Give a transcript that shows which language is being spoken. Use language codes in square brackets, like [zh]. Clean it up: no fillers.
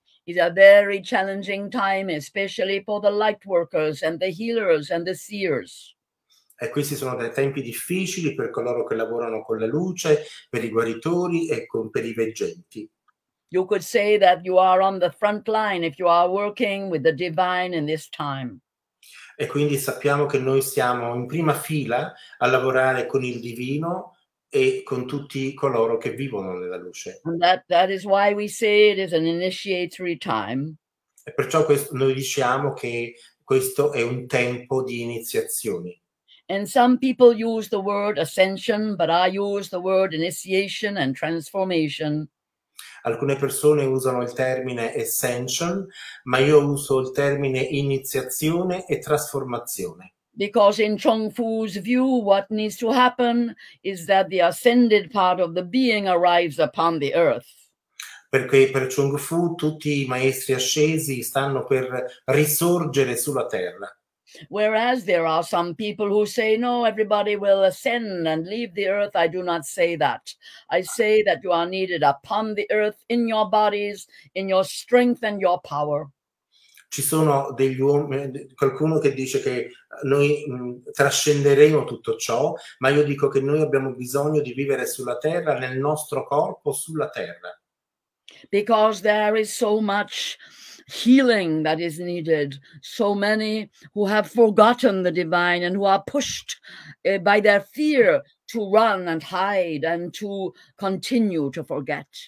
[en] It's a very challenging time, especially for the light workers and the healers and the seers. [it] E questi sono dei tempi difficili per coloro che lavorano con la luce, per i guaritori e per i veggenti. [en] You could say that you are on the front line if you are working with the divine in this time. [it] E quindi sappiamo che noi siamo in prima fila a lavorare con il divino e con tutti coloro che vivono nella luce. [en] That is why we say it is an initiatory time. [it] E perciò questo, noi diciamo che questo è un tempo di iniziazioni. [en] And some people use the word ascension, but I use the word initiation and transformation. [it] Alcune persone usano il termine ascension, ma io uso il termine iniziazione e trasformazione. [en] Because in Chung Fu's view, what needs to happen is that the ascended part of the being arrives upon the earth. [it] Perché per Chung Fu tutti i maestri ascesi stanno per risorgere sulla terra. [en] Whereas there are some people who say, no, everybody will ascend and leave the earth. I do not say that. I say that you are needed upon the earth, in your bodies, in your strength and your power. [it] Ci sono degli uomini, qualcuno che dice che noi trascenderemo tutto ciò, ma io dico che noi abbiamo bisogno di vivere sulla terra, nel nostro corpo, sulla terra. [en] Because there is so much healing that is needed. So many who have forgotten the divine and who are pushed by their fear to run and hide and to continue to forget.